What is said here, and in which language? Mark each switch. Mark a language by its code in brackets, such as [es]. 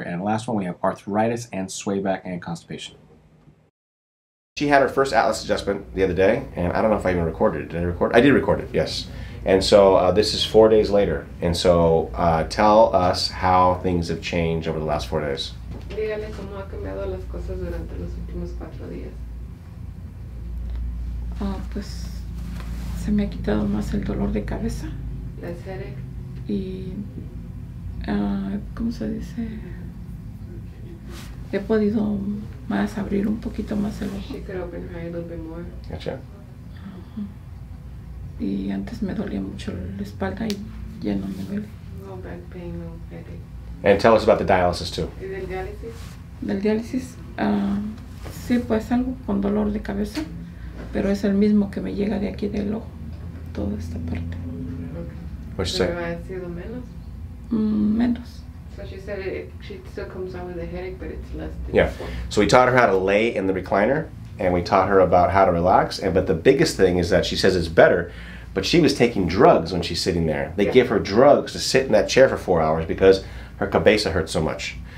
[en] And last one, we have arthritis and sway back and constipation. She had her first atlas adjustment the other day, and I don't know if I even recorded it. Did I record? I did record it, yes. And so this is 4 days later. And so tell us how things have changed over the last 4 days. [es] Dígame cómo ha cambiado las cosas durante los últimos 4 días. Ah, pues se me ha quitado más el dolor de cabeza. La headache. Y, ¿cómo se dice? He podido más abrir un poquito más el ojo. [en] She could open her eye a little bit more. Gotcha. [es] Y antes me dolía mucho la espalda y ya no me duele. [en] No back pain, no headache. And tell us about the dialysis too. [es] ¿Y del diálisis? Del diálisis, sí, pues algo con dolor de cabeza, pero es el mismo que me llega de aquí del ojo, toda esta parte. Okay. ¿Qué ha sido menos? Menos. [en] So she said she still comes out with a headache, but it's less than. Yeah, so we taught her how to lay in the recliner. And we taught her about how to relax. But the biggest thing is that she says it's better, but she was taking drugs when she's sitting there. They give her drugs to sit in that chair for 4 hours because her cabeza hurts so much.